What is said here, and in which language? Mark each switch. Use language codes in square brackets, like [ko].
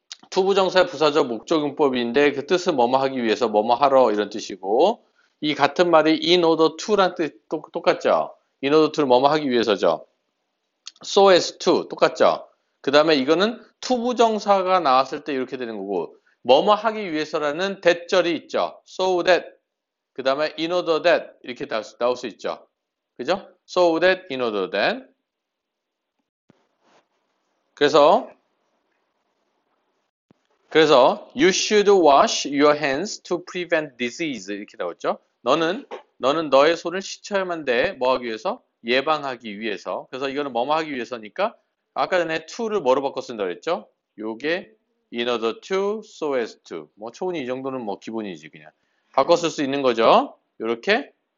[ko] 투부정사의 부사적 목적용법인데 그 뜻은 뭐뭐 하기 위해서 뭐뭐 하러 이런 뜻이고 이 같은 말이 in order to란 뜻 똑같죠? in order to를 뭐뭐 하기 위해서죠. so as to 똑같죠? 그 다음에 이거는 투부정사가 나왔을 때 이렇게 되는 거고 뭐뭐 하기 위해서라는 대절이 있죠. so that 그 다음에 in order that 이렇게 나올 수 있죠. 그죠? [en] so that in order that [ko] 그래서 [en] you should wash your hands to prevent disease [ko] 이렇게 나왔죠. 너는 너의 손을 씻어야만 돼. 뭐 하기 위해서? 예방하기 위해서. 그래서 이거는 뭐뭐 하기 위해서니까 아까 전에 to를 뭐로 바꿔 쓴다 그랬죠? 요게 in order to, so as to. 뭐 초운이 이 정도는 뭐 기본이지 그냥. 바꿔 쓸수 있는 거죠. 요렇게.